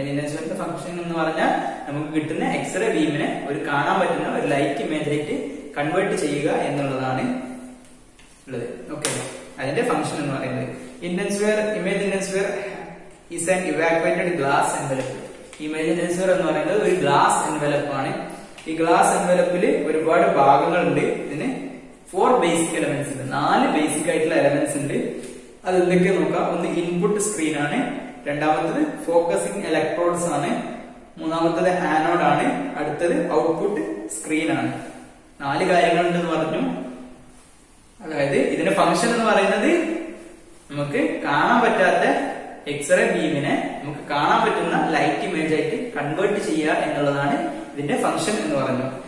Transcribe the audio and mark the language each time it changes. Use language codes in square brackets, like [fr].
[ml] Image ഇന്റൻസിഫയറിന്റെ function എന്ന് പറഞ്ഞാൽ നമുക്ക് കിട്ടുന്ന എക്സ്റേ ബീമിനെ ഒരു കാണാൻ പറ്റുന്ന ഒരു ലൈറ്റ് ഇമേജ് ആയിട്ട് കൺവേർട്ട് ചെയ്യുക എന്നുള്ളതാണ് ഉള്ളത്. ഓക്കെ, അതിന്റെ ഫംഗ്ഷൻ എന്ന് പറയുന്നത് ഇന്റൻസിഫയർ. [en] Image intensifier is an evacuated glass envelope. [ml] Image ഇന്റൻസിഫയർ എന്ന് പറയുന്നത് ഒരു ഗ്ലാസ് എൻവലപ്പ് ആണ്. ഈ ഗ്ലാസ് എൻവലപ്പിൽ ഒരുപാട് ഭാഗങ്ങളുണ്ട്. ഇതിന് 4 basic elements ഉണ്ട്, 4 basic elements ഉണ്ട്. അത് എന്തൊക്കെ നോക്കാം? ഒന്ന് ഇൻപുട്ട് സ്ക്രീൻ ആണ്, രണ്ടാമത്തത് ഫോക്കസിംഗ് ഇലക്ട്രോഡ്സ് ആണ്, മൂന്നാമത്തത് ആനോഡ് ആണ്, അടുത്തത് ഔട്ട്പുട്ട് സ്ക്രീൻ ആണ്. 4 കാര്യങ്ങളുണ്ട് എന്ന് പറഞ്ഞു. അതായത് ഇതിന്റെ ഫംഗ്ഷൻ എന്ന് പറയുന്നത് നമുക്ക് കാണാൻ പറ്റാത്ത എക്സ്റേ ബീമിനെ നമുക്ക് കാണാൻ പറ്റുന്ന ലൈറ്റ് ഇമേജ് ആയിട്ട് കൺവേർട്ട് ചെയ്യുക എന്നുള്ളതാണ് ഇതിന്റെ ഫംഗ്ഷൻ എന്ന് പറഞ്ഞു.